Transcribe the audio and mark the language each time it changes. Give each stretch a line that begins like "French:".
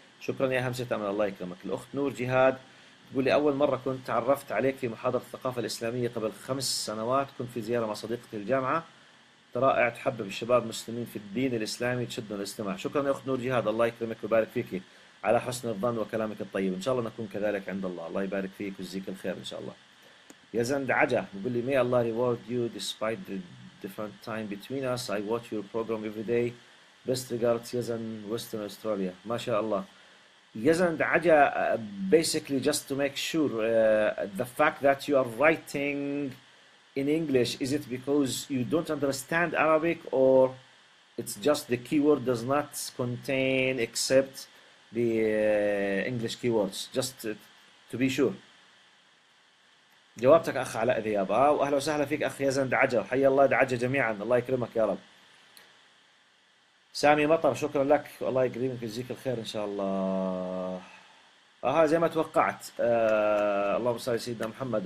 Arabic: شكرا يا همسة أمل، الله يكرمك. الأخت نور جهاد تقول لي أول مرة كنت تعرفت عليك في محاضرة الثقافة الإسلامية قبل 5 سنوات، كنت في زيارة مع صديقتي الجامعة. رائع، تحبب الشباب المسلمين في الدين الاسلامي، تشدنا الاستماع. شكرا يا اخت نور جهاد، الله يكرمك ويبارك فيك على حسن الظن وكلامك الطيب، ان شاء الله نكون كذلك عند الله، الله يبارك فيك ويجزيك الخير ان شاء الله. يا زند عجا بيقول لي
English: may Allah reward you despite the different time between us, I watch your program every day, best regards يزن Western Australia. ما شاء الله يا زند عجا، basically just to make sure the fact that you are writing in English, is it because you don't understand Arabic or it's just the keyword does not contain except the English keywords, just to be sure.
Arabic: جوابتك اخ علاء ذياب، واهلا وسهلا فيك اخ يزن دعجة، حيا الله دعجة جميعا، الله يكرمك يا رب. سامي مطر شكرا لك، الله يكرمك ويجزيك الخير ان شاء الله. زي ما توقعت، اللهم صل على سيدنا محمد.